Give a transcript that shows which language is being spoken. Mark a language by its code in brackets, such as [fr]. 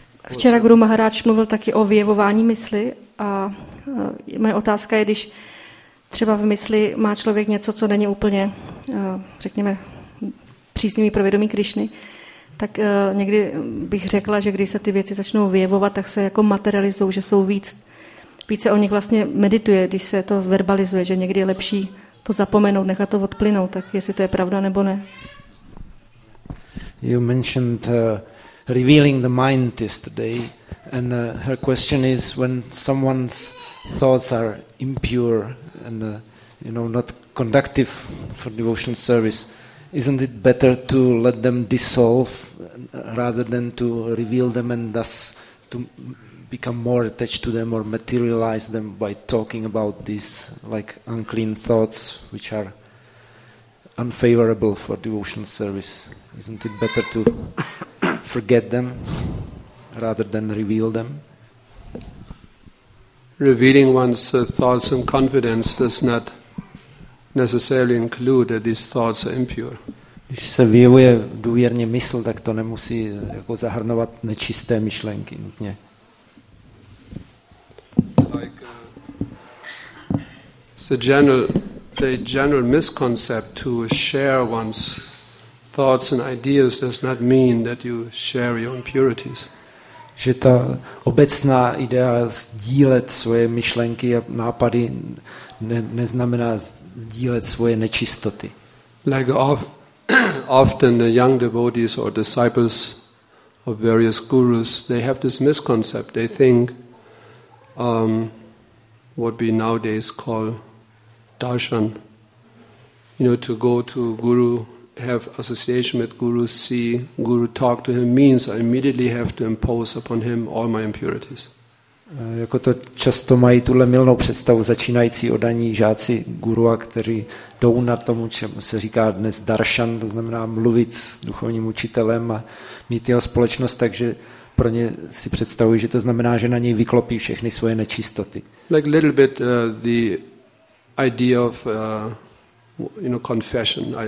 [cs] Včera Guru Maharaj mluvil taky o vyjevování mysli a moje otázka je, když třeba v mysli má člověk něco, co není úplně, řekněme, příznivý pro vědomí Krišny, tak někdy bych řekla, že když se ty věci začnou vyjevovat, tak se jako materializují, že jsou víc, více o nich vlastně medituje, když se to verbalizuje, že někdy je lepší to zapomenout, nechat to odplynout, tak jestli to je pravda nebo ne. [en] You mentioned revealing the mind yesterday, and her question is, when someone's thoughts are impure and you know, not conductive for devotional service, isn't it better to let them dissolve rather than to reveal them and thus to become more attached to them or materialize them by talking about these like unclean thoughts which are unfavorable for devotional service? Isn't it better to forget them rather than reveal them? Revealing one's thoughts and confidence does not necessarily include that these thoughts are impure. [cs] Když se vyjevuje důvěrně mysl, tak to nemusí jako zahrnovat nečisté myšlenky nutně. [en] The general misconcept to share one's thoughts and ideas does not mean that you share your impurities. [cs] Že ta obecná idea sdílet svoje myšlenky a nápady neznamená sdílet svoje nečistoty. [en] Like often the young devotees or disciples of various gurus, they have this misconcept. They think what we nowadays call darshan, you know, to go to a guru, have association with guru, see guru, talk to him, means I immediately have to impose upon him all my impurities. [cs] Jako to často mají tuhle mylnou představu začínající odaní žáci gurua, kteří jdou na tomu, čemu se říká dnes darshan, to znamená mluvit s duchovním učitelem a mít jeho společnost, takže pro ně si představují, že to znamená, že na něj vyklopí všechny svoje nečistoty. [en] Like a little bit the idea of you know, confession.